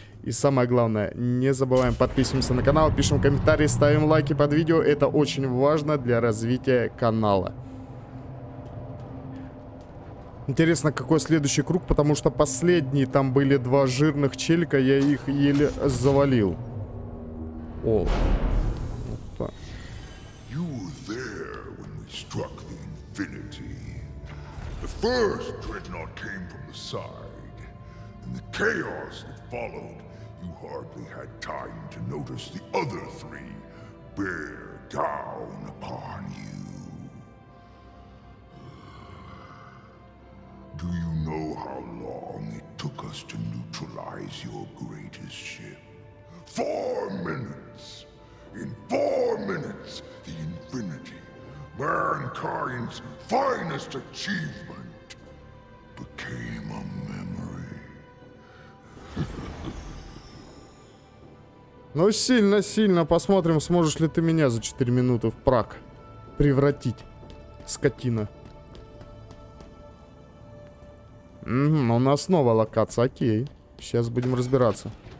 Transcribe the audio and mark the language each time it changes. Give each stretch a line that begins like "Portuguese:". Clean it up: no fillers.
Russian: И самое главное, не забываем подписываться на канал, пишем комментарии, ставим лайки под видео, это очень важно для развития канала. Интересно, какой следующий круг, потому что последние там были два жирных челика, я их еле завалил. О.
English: You were there when we struck the infinity. The first dreadnought came from the side. And the chaos that followed, you hardly had time to notice the other three bear down upon you. Do you know how long it took us to neutralize your greatest ship? 4 minutes! In 4 minutes, the Infinity, mankind's finest achievement, became a memory.
Russian: Ну сильно, посмотрим, сможешь ли ты меня за 4 минуты в прах превратить, скотина. Угу, у нас снова локация, окей. Сейчас будем разбираться.